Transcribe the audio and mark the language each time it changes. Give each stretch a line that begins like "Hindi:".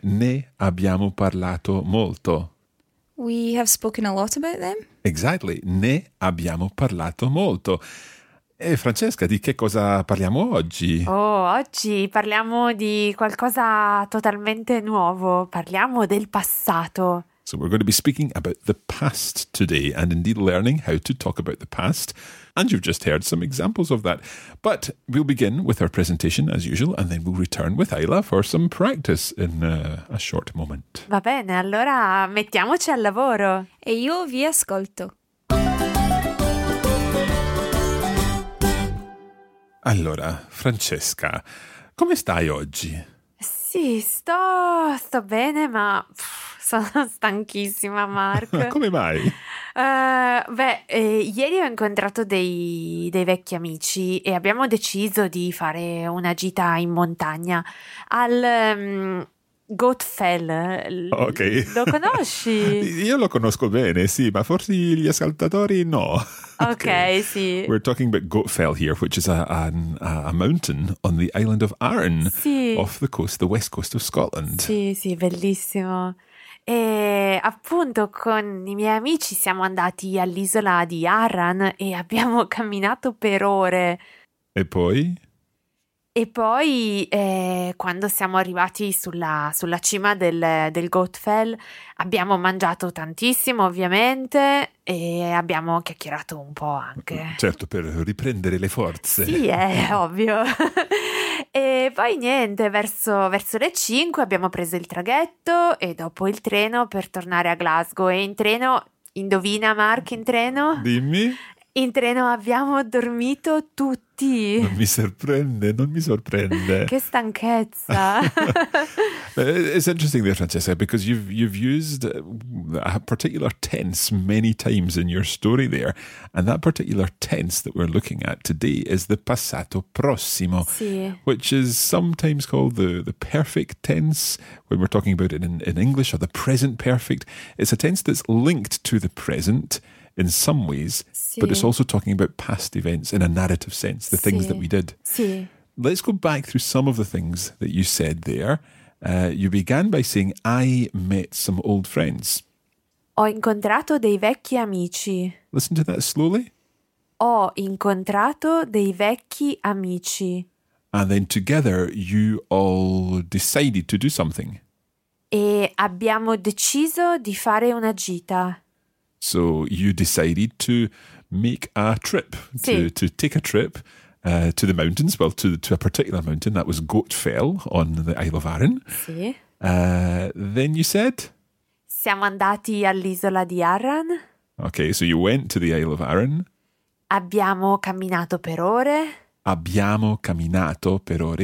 Italian: Ne abbiamo parlato molto.
English: We have spoken a lot about them. Exactly.
Italian: Ne abbiamo parlato molto. E Francesca, di che cosa parliamo oggi? Oh, oggi parliamo di qualcosa totalmente nuovo. Parliamo del passato.
English: So we're going to be speaking about the past today and indeed learning how to talk about the past. And you've just heard some examples of that. But we'll begin with our presentation as usual and then we'll return with Ayla for some practice in a short moment.
Italian: Va bene, allora mettiamoci al lavoro. E io vi ascolto. Allora, Francesca, come stai oggi? Sì, sto bene, ma sono stanchissima, Mark. Come mai? Ieri ho incontrato dei vecchi amici e abbiamo deciso di fare una gita in montagna al Goatfell. Ok. Lo conosci? Io lo conosco bene, sì, ma forse gli ascoltatori no. Okay, sì.
English: We're talking about Goatfell here, which is a mountain on the island of Arran,
Italian: sì.
English: Off the coast, the west coast of Scotland.
Italian: Sì, sì, bellissimo. E appunto con i miei amici siamo andati all'isola di Arran e abbiamo camminato per ore. E poi? E poi quando siamo arrivati sulla cima del Goatfell abbiamo mangiato tantissimo ovviamente e abbiamo chiacchierato un po' anche. Certo, per riprendere le forze. Sì, è ovvio. E poi niente, verso le 5 abbiamo preso il traghetto e dopo il treno per tornare a Glasgow. E in treno, indovina Mark, in treno? Dimmi. In treno abbiamo dormito tutti. Non mi sorprende. Che stanchezza.
English: It's interesting there, Francesca, because you've used a particular tense many times in your story there. And that particular tense that we're looking at today is the passato prossimo,
Italian: sì.
English: Which is sometimes called the perfect tense when we're talking about it in English, or the present perfect. It's a tense that's linked to the present in some ways,
Italian: sì.
English: But it's also talking about past events in a narrative sense, the
Italian: sì.
English: Things that we did.
Italian: Sì.
English: Let's go back through some of the things that you said there. You began by saying, I met some old friends.
Italian: Ho incontrato dei vecchi amici.
English: Listen to that slowly.
Italian: Ho incontrato dei vecchi amici.
English: And then together you all decided to do something.
Italian: E abbiamo deciso di fare una gita.
English: So you decided to make a trip,
Italian: sì.
English: to take a trip to the mountains, well, to a particular mountain, that was Goatfell on the Isle of Arran.
Italian: Sì.
English: Then you said?
Italian: Siamo andati all'isola di Arran.
English: Okay, so you went to the Isle of Arran.
Italian: Abbiamo camminato per ore. Abbiamo camminato per ore.